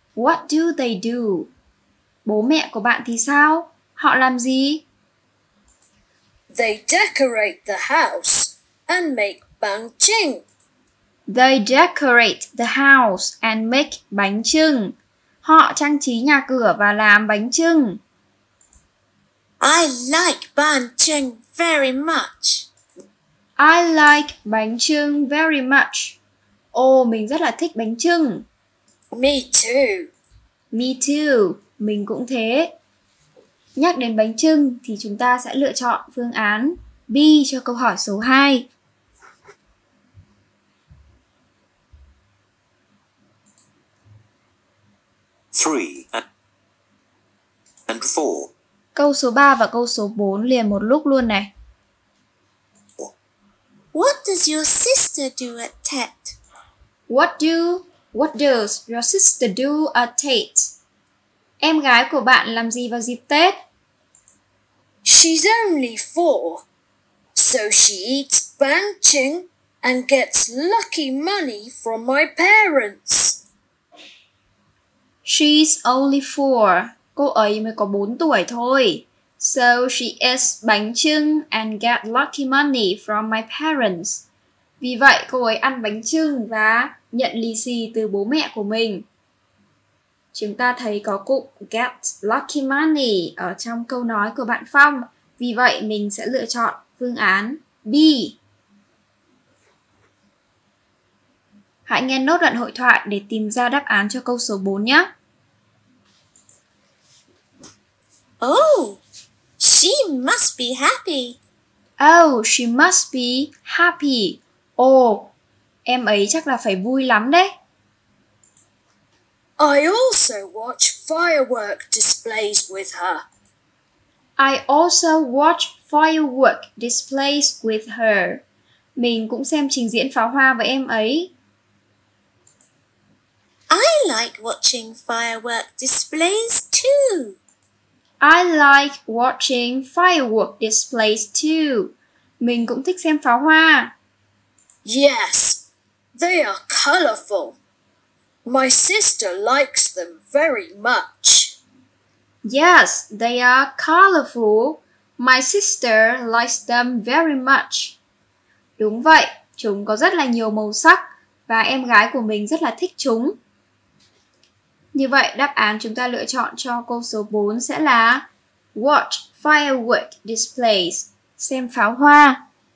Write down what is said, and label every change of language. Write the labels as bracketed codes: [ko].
[en] What do they do? [vi] Bố mẹ của bạn thì sao? Họ làm gì? [en] They decorate the house and make bánh chưng. They decorate the house and make bánh chưng. [vi] Họ trang trí nhà cửa và làm bánh chưng. [en] I like bánh chưng very much. I like bánh chưng very much. [vi] Oh, mình rất là thích bánh chưng. [en] Me too. Me too. [vi] Mình cũng thế. Nhắc đến bánh chưng thì chúng ta sẽ lựa chọn phương án B cho câu hỏi số 2. [en] Three and four. [vi] Câu số 3 và câu số 4 liền một lúc luôn này. [en] What does your sister do at Tet? What does your sister do at Tet? [vi] Em gái của bạn làm gì vào dịp Tết? [en] She's only 4, so she eats banqing and gets lucky money from my parents. She's only 4. [vi] Cô ấy mới có 4 tuổi thôi. [en] So she eats bánh chưng and get lucky money from my parents. [vi] Vì vậy cô ấy ăn bánh chưng và nhận lì xì từ bố mẹ của mình. Chúng ta thấy có cụm [en] get lucky money [vi] ở trong câu nói của bạn Phong. Vì vậy mình sẽ lựa chọn phương án B. Hãy nghe nốt đoạn hội thoại để tìm ra đáp án cho câu số 4 nhé. [en] Oh, she must be happy. Oh, she must be happy. [vi] Oh, em ấy chắc là phải vui lắm đấy. [en] I also watch firework displays with her. I also watch firework displays with her. [vi] Mình cũng xem trình diễn pháo hoa với em ấy. [en] I like watching firework displays too. I like watching firework displays too. [vi] Mình cũng thích xem pháo hoa. [en] Yes, they are colorful. My sister likes them very much. Yes, they are colorful. My sister likes them very much. [vi] Đúng vậy, chúng có rất là nhiều màu sắc và em gái của mình rất là thích chúng. Như vậy, đáp án chúng ta lựa chọn cho câu số 4 sẽ là [en] watch firework displays, [vi] xem pháo hoa.